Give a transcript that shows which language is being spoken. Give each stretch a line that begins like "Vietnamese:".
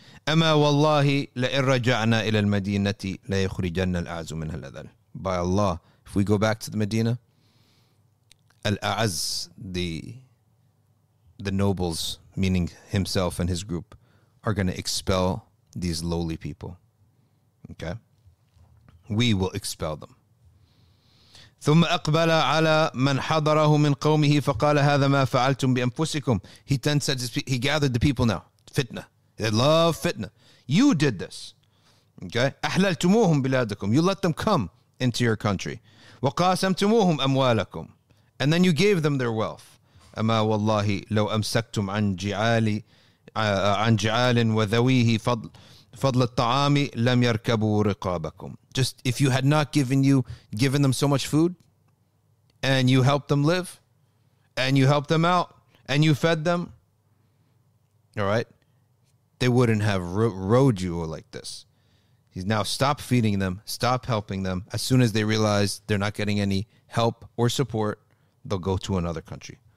Arabic: أما والله لئن رجعنا إلى المدينة ليخرجن الأعز منها الأذل.
English: By Allah, if we go back to the Medina, الأعز, the nobles, meaning himself and his group, are going to expel these lowly people. Okay? We will expel them.
Arabic: ثم أقبل على من حضره من قومه فقال هذا ما فعلتم بأنفسكم.
English: He then said, he gathered the people now. Fitna. They love fitna. You did this. Okay?
Arabic: أحللتموهم بلادكم.
English: You let them come into your country.
Arabic: وقاسمتموهم أموالكم.
English: And then you gave them their wealth.
Arabic: أما والله لو أمسكتم عن جعالي عن جعال وذويه فضل الطعام لم يركبوا رقابكم.
English: Just if you had not given them so much food, and you helped them live, and you helped them out, and you fed them, all right, they wouldn't have rode you like this. He's now stopped feeding them, stopped helping them. As soon as they realize they're not getting any help or support, they'll go to another country.